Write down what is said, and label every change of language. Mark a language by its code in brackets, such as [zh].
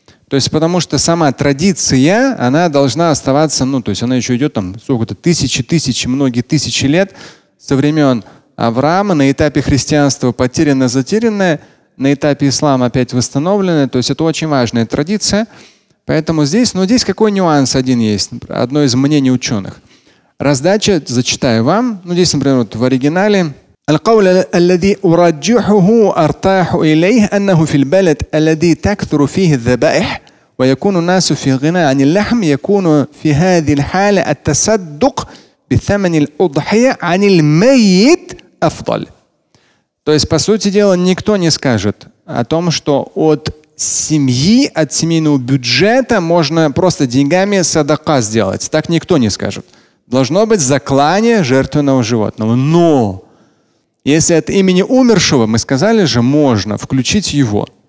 [ru] То есть потому что сама традиция, она должна оставаться, ну, то есть она еще идет там сколько-то тысячи, многие тысячи лет со времен Авраама, на этапе христианства потерянное, затерянное, на этапе ислама опять восстановленное. То есть это очень важная традиция. Поэтому здесь, но здесь какой нюанс один есть, одно из мнений ученых. Раздача, зачитаю вам, ну здесь, например, вот в оригинале. [ar] القول الذي أرجحه أرتاح إليه أنه في البلد الذي تكثر فيه الذبائح ويكون الناس في غنى عن اللحم يكون في هذه الحالة التصدق بثمن الأضحية عن الميت أفضل. [ru] То есть, по сути дела, никто не скажет о том, что от семьи, от семейного бюджета можно просто деньгами садака сделать. Так никто не скажет. Должно быть заклание жертвенного животного. Но если от имени умершего, мы сказали же, можно включить его.